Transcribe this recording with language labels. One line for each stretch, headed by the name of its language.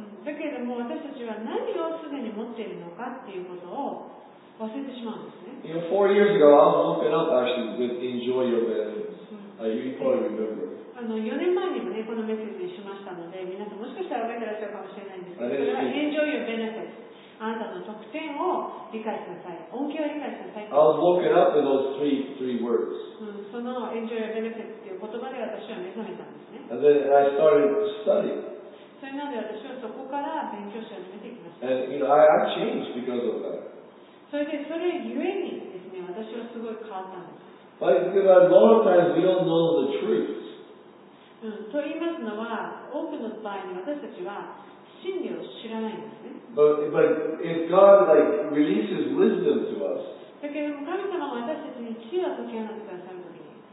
Japanese: だけども私たちは何をすでに持っているのかっていうことを忘れてしまうんですね。
English: You know, 4 years ago, I was open up actually with enjoy your benefits. You probably remember.
Japanese: 4年前にもね、このメッセージしましたので、皆さんもしかしたら覚えてらっしゃるかもしれないんですけど、それは
English: enjoy your benefits。
Japanese: あなたの特典を理解しなさい。恩恵を理解しなさい。
English: I was woken up with those three words.
Japanese: その
English: enjoy your benefits
Japanese: っていう言葉で私は目覚めたんですね。
English: And then I started studying.
Japanese: それなので私はそこから勉強し始めていきました。
English: And, you know, I've changed because of that.
Japanese: それでそれゆえにですね、私はすごい変わったんです。
English: But because a lot of times we don't know the truth.
Japanese: と言いますのは、多くの場合に私たちは真理を知らないんですね。
English: But if God like releases wisdom to us.
Japanese: だけども神様が私たちに知恵を解き放ってくださるときに。